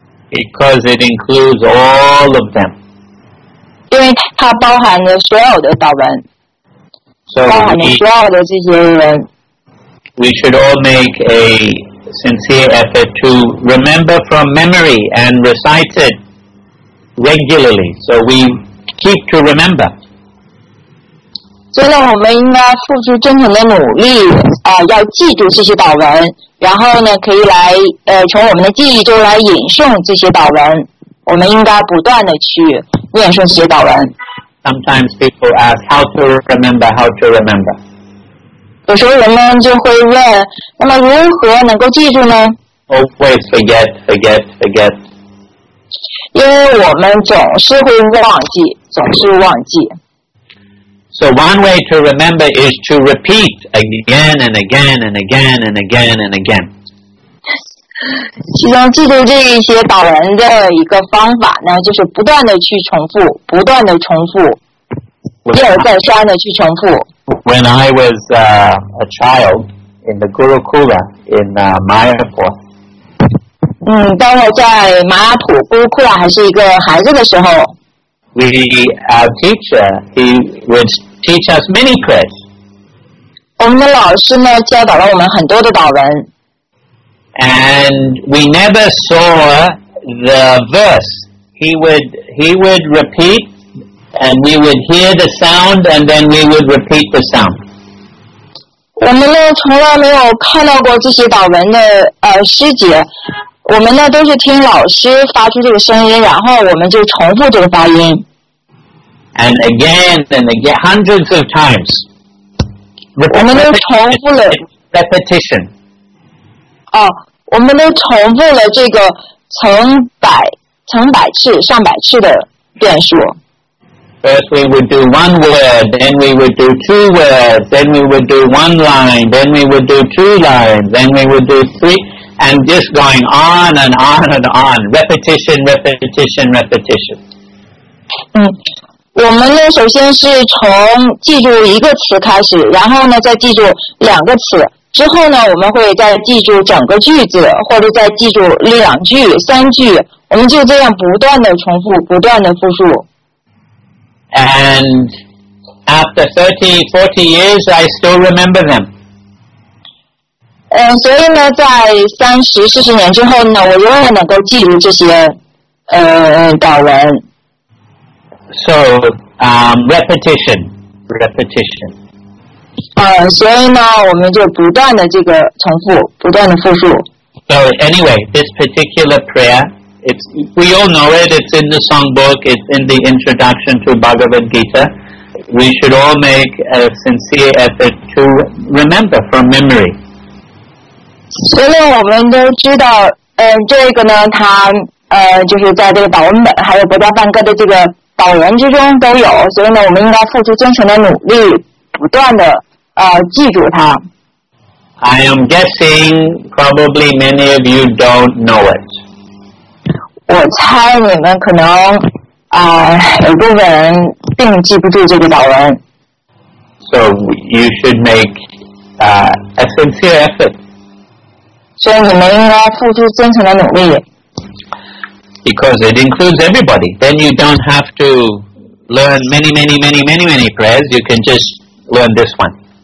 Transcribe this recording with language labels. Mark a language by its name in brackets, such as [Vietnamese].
[English] Because it includes all of them. [Chinese] 因为它包含了所有的祷文、 [English] so、 [Chinese] 包含了所有的这些人 [English] We should all make a sincere effort to remember from memory and recite it regularly so we keep to remember [Chinese] 所以我们应该付出真诚的努力、要记住这些祷文然后呢可以来、从我们的记忆中来引诵这些祷文我们应该不断的去念诵这些祷文。 [English] Sometimes people ask how to remember, how to remember. [Chinese] 有时候人们就会问，那么如何能够记住呢 [English] always forget. [Chinese] 因为我们总是会忘记，总是忘记。 [English] So one way to remember is to repeat again and again and again and again and again. [Chinese] 其中记住这一些祷文的一个方法呢，就是不断的去重复，不断的重复，一而再三的去重复。 [English] When I was a child in the Gurukula in Mayapur. [Chinese] 当我在马雅普古库拉还是一个孩子的时候。 [English] Our teacher, he would teach us many prayers. [Chinese] 我们的老师呢教导了我们很多的祷文。 [English] And we never saw the verse. He would repeat, and we would hear the sound, and then we would repeat the sound. [Chinese] 我们呢从来没有看到过这些祷文的诗节。我们呢都是听老师发出这个声音，然后我们就重复这个发音。 [English] And again and again, hundreds of times. [Chinese] 我们都重复了 [English] repetition. [Chinese] 哦，我们都重复了这个成百次、上百次的遍数。 [English] First we would do one word, then we would do two words, then we would do one line, then we would do two lines, then we would do three. And just going on and on and on. Repetition. [Chinese] 我们呢首先是从记住一个词开始，然后呢再记住两个词，之后呢我们会再记住整个句子，或者再记住两句、三句，我们就这样不断的重复，不断的复述。 [English] And after 30-40 years, I still remember them. [Chinese] 所以呢在30-40年之后呢我永远能够记住这些祷文。 [English] So, repetition. [Chinese] 所以呢我们就不断的这个重复，不断的复述。 [English] So anyway, this particular prayer, we all know it, it's in the songbook, it's in the introduction to Bhagavad Gita. We should all make a sincere effort to remember from memory. [Chinese] 所以我们都知道这个呢它就是在这个祷文本还有国家办各的这个祷文之中都有，所以呢我们应该付出真诚的努力，不断的记住它。 [English] I am guessing probably many of you don't know it. [Chinese] 我猜你们可能有部分人并记不住这个祷文。 [English] So you should make a sincere effort. [Chinese] 所以你们应该付出真诚的努力。 [English] Because it includes everybody. Then you don't have to learn many prayers. You can just learn this one.